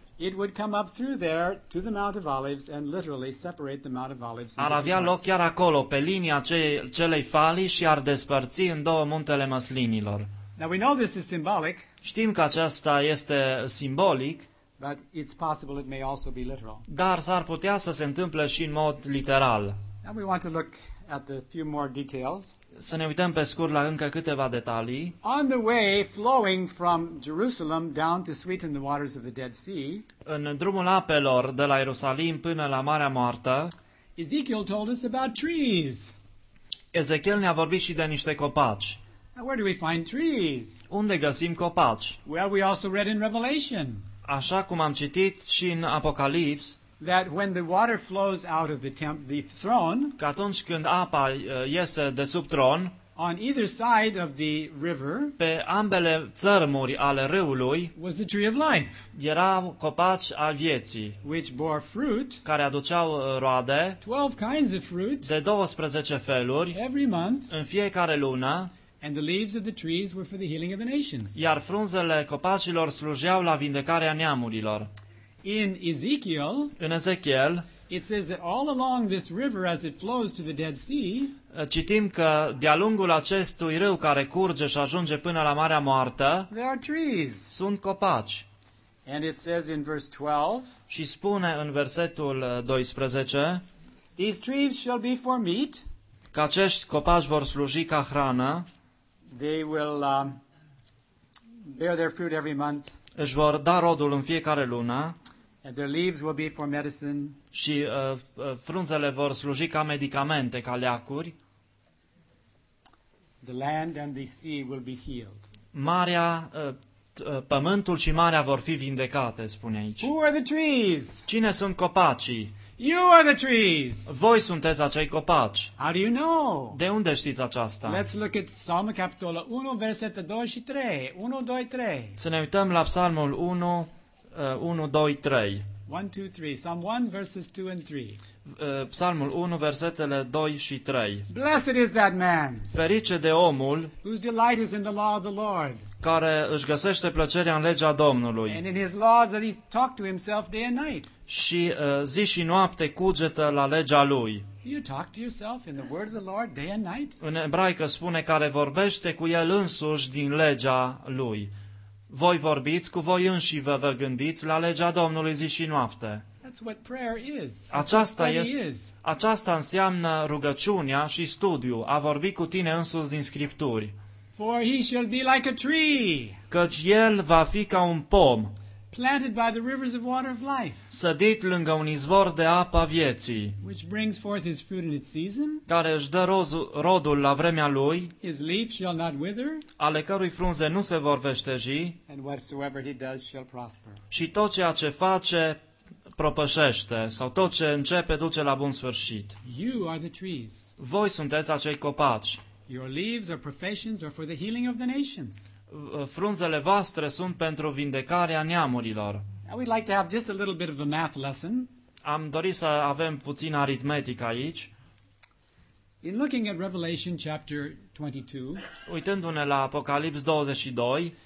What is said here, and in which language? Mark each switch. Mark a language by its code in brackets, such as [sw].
[en] it would come up through there to the Mount of Olives and literally separate the Mount of Olives. [ro] Ar avea loc chiar acolo pe linia celei falii și ar despărți în două muntele măslinilor. [en] Now we know this is symbolic. [ro] Știm că aceasta este simbolic. [en] But it's possible it may also be literal. [ro] Dar s-ar putea să se întâmple și în mod literal. [en] Now we want to look at a few more details. [ro] Să ne uităm pe scurt la încă câteva detalii. [en] On the way flowing from Jerusalem down to sweeten the waters of the Dead Sea. [ro] În drumul apelor de la Ierusalim până la Marea Moartă. [en] Ezekiel told us about trees. [ro] Ezekiel ne-a vorbit și de niște copaci. [en] Now where do we find trees? [ro] Unde găsim copaci? [en] Well, we also read in Revelation. [ro] Așa cum am citit și în Apocalips, [en] that when the water flows out of the throne, [ro] că atunci când apa iese de sub tron, [en] on either side of the river, [ro] pe ambele țărmuri ale râului, [en] was the tree of life, [ro] erau copaci al vieții, [en] which bore fruit, [ro] care aduceau roade, [en] 12 kinds of fruit, [ro] de 12 feluri, [en] every month, [ro] în fiecare lună. [en] And the leaves of the trees were for the healing of the nations. [ro] Iar frunzele copacilor slujeau la vindecarea neamurilor. [en] In Ezekiel, [ro] în Ezechiel, [en] it says that all along this river as it flows to the Dead Sea, [ro] citim că de-a lungul acestui râu care curge și ajunge până la Marea Moartă, [en] there are trees. [ro] Sunt copaci. [en] And it says in verse 12, [ro] și spune în versetul 12, [en] these trees shall be for meat. [ro] Că acești copaci vor sluji ca hrană. [en] They will bear their fruit every month. [ro] Își vor da rodul în fiecare lună. [en] And their leaves will be for medicine. [ro] Și frunzele vor sluji ca medicamente, ca leacuri. [en] The land and the sea will be healed. [ro] Marea, pământul și marea vor fi vindecate, spune aici. [en] Who are the trees? [ro] Cine sunt copacii? [en] You are the trees. [ro] Voi sunteți acei copaci. [en] How do you know? [ro] De unde știți aceasta? [en] Let's look at Psalm [ro] capitolul 1, versetele 2 și 3. [en] 1, 2, 3. [ro] Să ne uităm la Psalmul 1, 1, 2, 3. [en] 1, 2, 3. Psalm 1, verses 2 and 3. [ro] Psalmul 1, versetele 2 și 3. [en] Blessed is that man. [ro] Ferice de omul. [en] Whose delight is in the law of the Lord. [ro] Care își găsește plăcerea în legea Domnului. [en] And in his laws that he talk to himself day and night. [ro] Și zi și noapte cugetă la legea lui. [en] You talk to yourself in the word of the Lord day and night? [ro] În ebraică spune care vorbește cu el însuși din legea lui. Voi vorbiți cu voi înși vă gândiți la legea Domnului zi și noapte. [en] That's what prayer is. [ro] Aceasta este. Aceasta înseamnă rugăciunea și studiu, a vorbi cu tine însuși din scripturi. [en] For he shall be like a tree. [ro] Căci el va fi ca un pom. [en] Planted by the rivers of water of life. [ro] Sădit lângă un izvor de apă vieții. [en] Which brings forth his fruit in its season. [ro] Care își dă rodul la vremea lui. [en] His leaf shall not wither. [ro] Ale cărui frunze nu se vor veșteji. [en] And whatsoever he does shall prosper. [ro] Și tot ceea ce face propășește, sau tot ce începe duce la bun sfârșit. [en] You are the trees. [ro] Voi sunteți acei copaci. [en] Your leaves or professions are for the healing of the nations. [ro] Frunzele voastre sunt pentru vindecarea neamurilor. [en] We'd like to have just a little bit of a math lesson. [ro] Am dorit să avem puțin aritmetic aici. [en] In looking at Revelation chapter 22, [ro] uitându-ne la Apocalips 22,